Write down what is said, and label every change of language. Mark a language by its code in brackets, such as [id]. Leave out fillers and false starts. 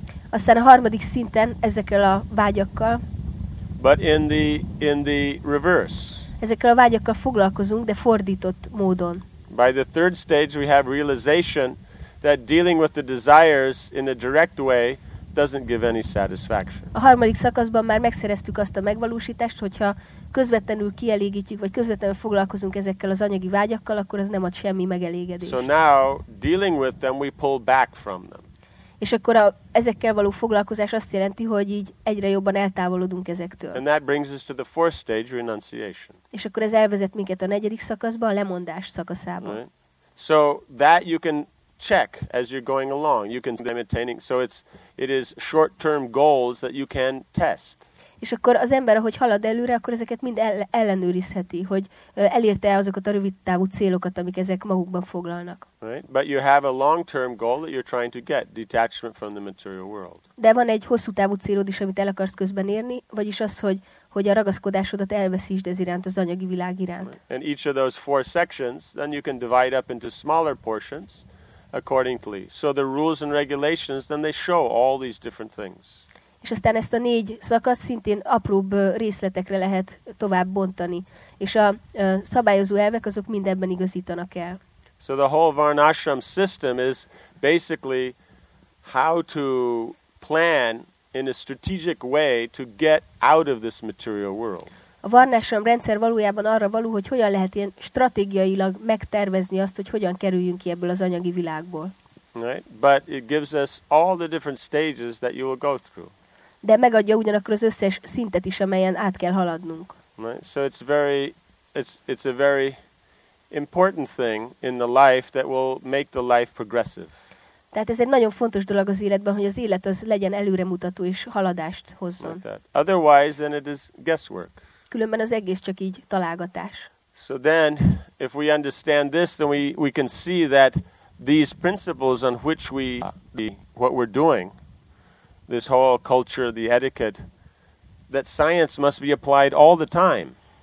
[hu] Aztán a harmadik szinten ezekkel a vágyakkal. [en] But in the reverse. [hu] Ezekkel a vágyakkal foglalkozunk, de fordított módon. [en] By the third stage we have realization that dealing with the desires in a direct way doesn't give any satisfaction. [hu] A harmadik szakaszban már megszereztük azt a megvalósítást, hogyha közvetlenül kielégítjük, vagy közvetlenül foglalkozunk ezekkel az anyagi vágyakkal, akkor az nem ad semmi megelégedést. [en] So now, dealing with them, we pull back from them. [hu] És akkor ezekkel való foglalkozás azt jelenti, hogy így egyre jobban eltávolodunk ezektől. [en] And that brings us to the fourth stage, renunciation. [hu] És akkor ez elvezet minket a negyedik szakaszba, a lemondás szakaszába. [en] Right. So that you can check as you're going along. You can see them attaining. So it is short-term goals that you can test. [hu] És akkor az ember, ahogy halad előre, akkor ezeket mind ellenőrizheti, hogy elérte-e azokat a rövid távú célokat, amik ezek magukban foglalnak. [en] Right? But you have a long-term goal that you're trying to get, detachment from the material world. [hu] De van egy hosszú távú célod is, amit el akarsz közben érni, vagyis az, hogy a ragaszkodásodat elveszítsd ez iránt, az anyagi világ iránt. [en] Right. And each of those four sections, then you can divide up into smaller portions accordingly. So the rules and regulations, then they show all these different things. [hu] És aztán ezt a négy szakaszt szintén apróbb részletekre lehet tovább bontani. És a szabályozó elvek azok mindebben igazítanak el. [en] So the whole Varnashram system is basically how to plan in a strategic way to get out of this material world. [hu] A Varnashram rendszer valójában arra való, hogy hogyan lehet ilyen stratégiailag megtervezni azt, hogy hogyan kerüljünk ki ebből az anyagi világból. [en] Right? But it gives us all the different stages that you will go through. [hu] de megadja ugyanakkor az összes szintet is, amelyen át kell haladnunk. [en] Right. So it's a very important thing in the life that will make the life progressive. [hu] Tehát ez egy nagyon fontos dolog az életben, hogy az élet az legyen előremutató és haladást hozzon. [en] Otherwise, then it is guesswork. [hu] Különben az egész csak így találgatás. [en] So then, if we understand this, then we can see that these principles on which we what we're doing, this whole culture, the etiquette, that science must be applied all the time.